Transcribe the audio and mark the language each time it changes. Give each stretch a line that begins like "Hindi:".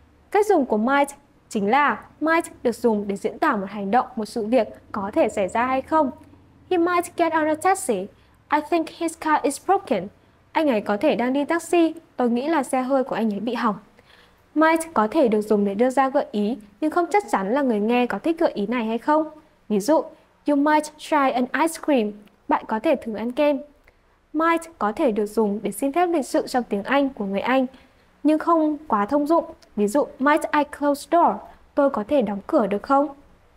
Vietnamese: Cách dùng của might chính là might được dùng để diễn tả một hành động, một sự việc có thể xảy ra hay không.
English: He might get on a taxi. I think his car is broken.
Vietnamese: Anh ấy có thể đang đi taxi. Tôi nghĩ là xe hơi của anh ấy bị hỏng. Might có thể được dùng để đưa ra gợi ý, nhưng không chắc chắn là người nghe có thích gợi ý này hay không. Ví dụ,
English: you might try an ice cream.
Vietnamese: Bạn có thể thử ăn kem. Might có thể được dùng để xin phép lịch sự trong tiếng Anh của người Anh, nhưng không quá thông dụng. Ví dụ,
English: might I close door?
Vietnamese: Tôi có thể đóng cửa được không?